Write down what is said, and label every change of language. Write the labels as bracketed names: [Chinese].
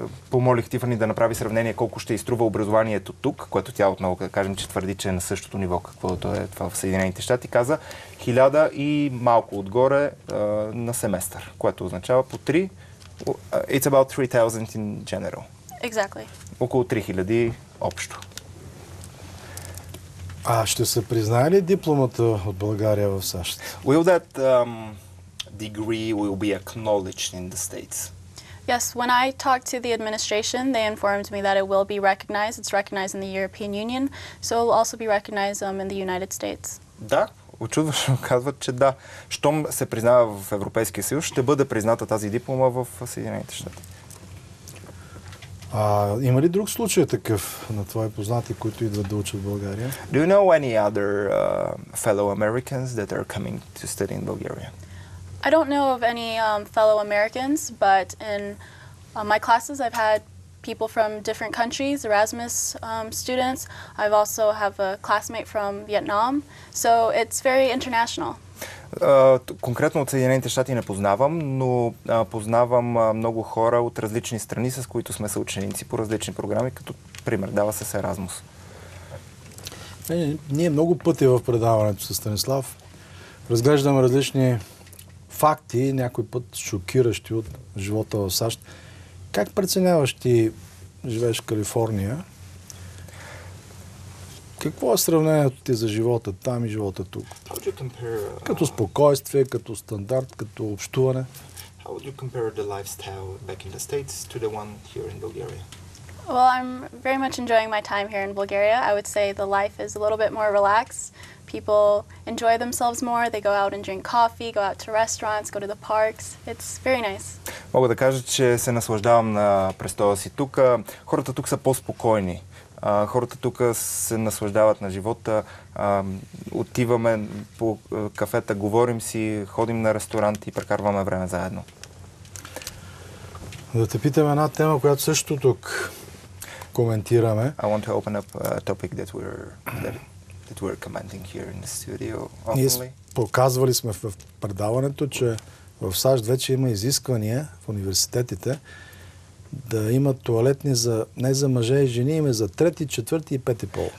[Bulgarian] Помолих Тифани да направи сравнение колко ще изтрува образованието тук, което тя отново, да кажем, че твърди, че е на същото ниво, каквото е това в Съединените щати, каза 1000 и малко отгоре на семестър, което означава по 3. [English] It's about 3000 in general. Exactly. [Bulgarian] Около 3000 общо. А ще се признае ли дипломата от България в САЩ? [English] Will that degree will be acknowledged in the States? Yes, when I talked to the administration, they informed me that it will be recognized. It's recognized in the European Union, so it will also be recognized in the United States. [Bulgarian] Да, учудващо казват, че да. Щом се признава в Европейския съюз, ще бъде призната тази диплома в Съединените щати. Има ли друг случай такъв на твои познати, които идват да учат в България? [English] Do you know any other fellow Americans that are coming to study in Bulgaria? I don't know of any fellow Americans, but in my classes I've had people from different countries, Erasmus students. I've also have a classmate from Vietnam. So it's very international. [Bulgarian] Конкретно от Съединените щати не познавам, но познавам много хора от различни страни, с които сме съученици по различни програми, като пример дава се с Erasmus. Ние много пъти в предаването с Станислав разглеждаме различни факти, някой път шокиращи от живота в САЩ. Как преценяваш ти, живееш в Калифорния, какво е сравнението ти за живота там и живота тук? Като спокойствие, като стандарт, като общуване? [English] How would you compare the lifestyle back in the States to the one here in Bulgaria? Well, I'm very much enjoying my time here in Bulgaria. I would say the life is a little bit more relaxed. People enjoy themselves more. They go out and drink coffee, go out to restaurants, go to the parks. It's very nice. [Bulgarian] Мога да кажа, че се наслаждавам на престоя си тук. Хората тук са по-спокойни. Хората тук се наслаждават на живота. Отиваме по кафета, говорим си, ходим на ресторант и прекарваме време заедно. Да те питам една тема, която също тук коментираме. [English] I want to open up a topic that we're commenting here in the studio. [Bulgarian] Ние показвали сме в предаването, че в САЩ вече има изисквания в университетите да има туалетни за не за мъже и жени, има за трети, четвърти и пети пол.